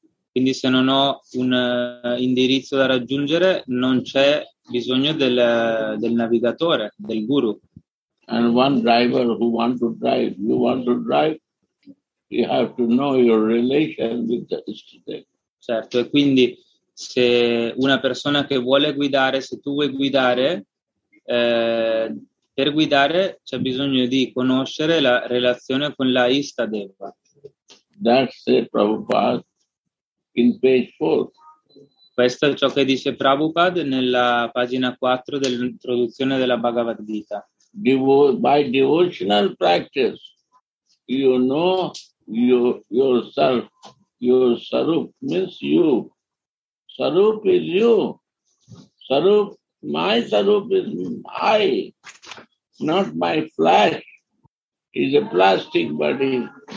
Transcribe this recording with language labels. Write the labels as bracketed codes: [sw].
[it] Quindi se non ho un indirizzo da raggiungere, non c'è bisogno del navigatore, del guru. [en] And one driver who want to drive, you want to drive, you have to know your relation with the Ishtadev. [it] Certo, e quindi se una persona che vuole guidare, se tu vuoi guidare, per guidare c'è bisogno di conoscere la relazione con la Ishtadeva. [en] That's it, Prabhupada, in page 4. [it] Questo è ciò che dice Prabhupada nella pagina 4 dell'introduzione della Bhagavad Gita. [en] By devotional practice, you know yourself, your sarup means you. Sarup is you. Sarup, my sarup is I. Not my flesh, is a plastic body,